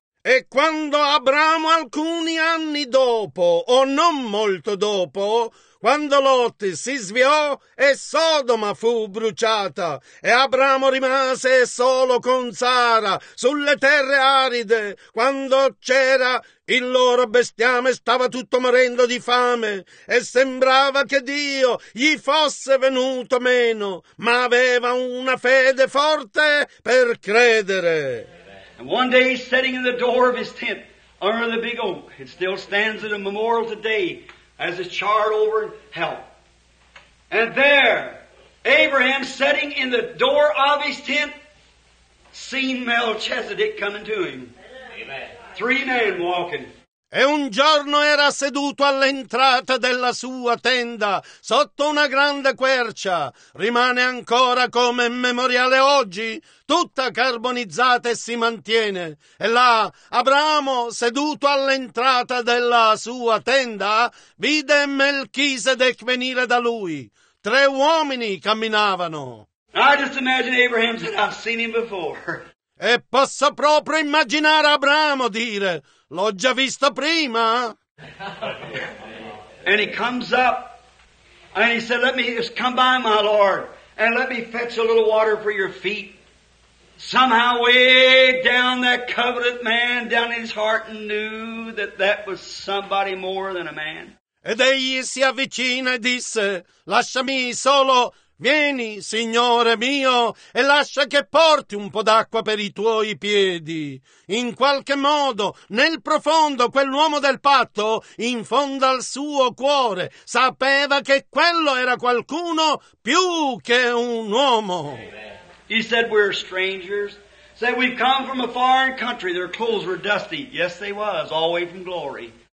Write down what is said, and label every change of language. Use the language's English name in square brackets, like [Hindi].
[Italian] E quando Abramo, alcuni anni dopo, o non molto dopo, quando Lot si sviò e Sodoma fu bruciata, e Abramo rimase solo con Sara sulle terre aride, quando c'era il loro bestiame, stava tutto morendo di fame, e sembrava che Dio gli fosse venuto meno, ma aveva una fede forte per credere. [English] And one day he's sitting in the door of his tent under the big oak. It still stands as a memorial today as it's charred over in hell. And there, Abraham sitting in the door of his tent, seen Melchizedek coming to him. Amen. Three men walking. [Italian] E un giorno era seduto all'entrata della sua tenda, sotto una grande quercia. Rimane ancora come memoriale oggi, tutta carbonizzata e si mantiene. E là, Abramo, seduto all'entrata della sua tenda, vide Melchisedec venire da lui. Tre uomini camminavano. [English] I just imagine Abraham said, I've seen him before. [Italian] E posso proprio immaginare Abramo dire... L'ho già visto prima. [English] And he comes up and he said, let me just come by, my Lord, and let me fetch a little water for your feet. Somehow way down that covenant man, down in his heart, knew that that was somebody more than a man. [Italian] Ed egli si avvicina e disse, lasciami solo, vieni, Signore mio, e lascia che porti un po' d'acqua per i tuoi piedi. In qualche modo, nel profondo, quell'uomo del patto, in fondo al suo cuore, sapeva che quello era qualcuno più che un uomo. [English] He said, we're strangers. Said, we've come from a foreign country. Their clothes were dusty. Yes, they was, all the way from glory.